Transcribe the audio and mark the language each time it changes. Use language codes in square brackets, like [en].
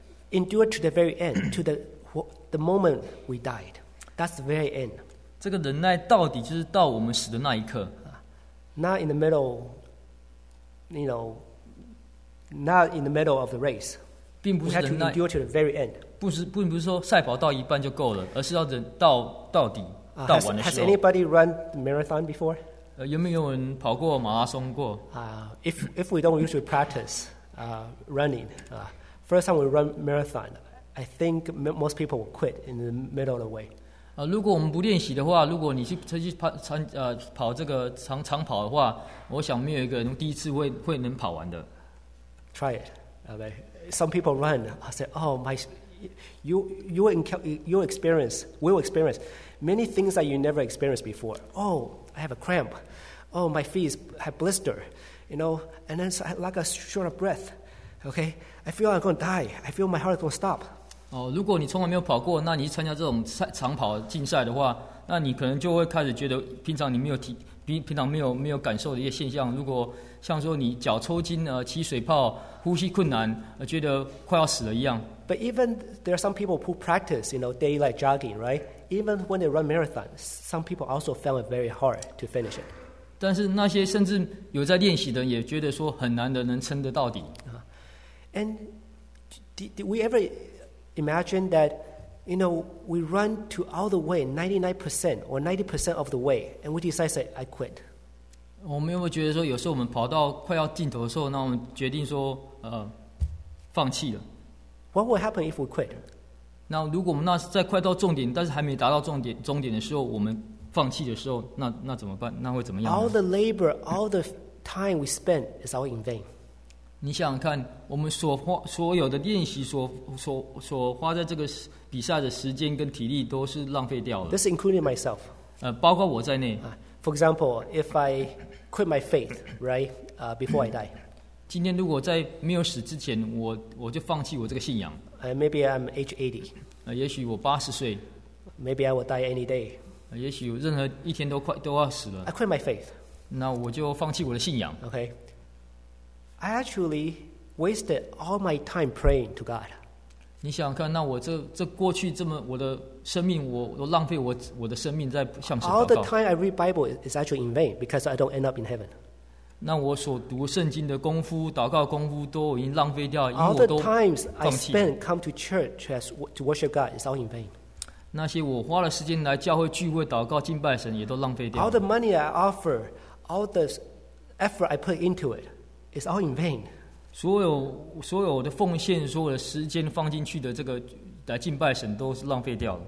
[en] Endure to the very end, to the moment we died. That's the very end. [zh] 这个忍耐到底就是到我们死的那一刻。 [en] Not in the middle, you know, not in the middle of the race. [zh] 并不是忍耐。 [en] We had to endure to the very end. [zh] 并不是说赛跑到一半就够了，而是要忍到底，到完的时候。 [en] Has anybody run the marathon before? [zh] 有没有人跑过马拉松过？ [en] If we don't usually practice running, First time we run marathon, I think most people will quit in the middle of the way. [zh] 如果我们不练习的话，如果你去跑这个长跑的话，我想没有一个人第一次会能跑完的。 [en] Try it, okay? Some people run. I say, oh my, you will experience many things that you never experienced before. Oh, I have a cramp. Oh, my feet have blister. You know, and then like a short of breath. Okay, I feel I'm going to die. I feel my heart is going to stop. [zh] 如果你从来没有跑过，那你去参加这种长跑竞赛的话，那你可能就会开始觉得平常你没有体平常没有感受的一些现象。如果像说你脚抽筋起水泡、呼吸困难，觉得快要死了一样。 [en] But even there are some people who practice, you know, daylight jogging, right? Even when they run marathons, some people also found it very hard to finish it. [zh] 但是那些甚至有在练习的，也觉得说很难的能撑得到底。 [en] And did we ever imagine that, you know, we run to all the way, 99% or 90% of the way, and we decide that I quit? [zh] 我们有没有觉得说，有时候我们跑到快要尽头的时候，那我们决定说，放弃了？ [en] What would happen if we quit? [zh] 那如果我们那在快到终点，但是还没达到终点的时候，我们放弃的时候，那怎么办？那会怎么样 [en] ？All the labor, all the time we spend is all in vain. [zh] 你想想看，我们所有的练习所花在这个比赛的时间跟体力都是浪费掉了。 [en] This including myself. [zh] 包括我在内。 [en] For example, if I quit my faith, right, before I die. [zh] 今天如果在没有死之前，我就放弃我这个信仰。 [en] Maybe I'm age 80. [zh] 也许我80岁。 [en] Maybe I will die any day. [zh] 也许任何一天都要死了。 [en] I quit my faith. [zh] 那我就放弃我的信仰。 [en] Okay. I actually wasted all my time praying to God. [zh] 你想想看，那我这过去这么我的生命，我浪费我的生命在向神祷告。 [en] All the time I read Bible is actually in vain because I don't end up in heaven. [zh] 那我所读圣经的功夫、祷告功夫都已经浪费掉，因为我都放弃了。 [en] All the times I spend come to church to worship God is all in vain. [zh] 那些我花了时间来教会聚会、祷告、敬拜神，也都浪费掉。 [en] All the money I offer, all the effort I put into it, is all in vain. [zh] 所有的奉献、所有的时间放进去的这个来敬拜神，都是浪费掉了。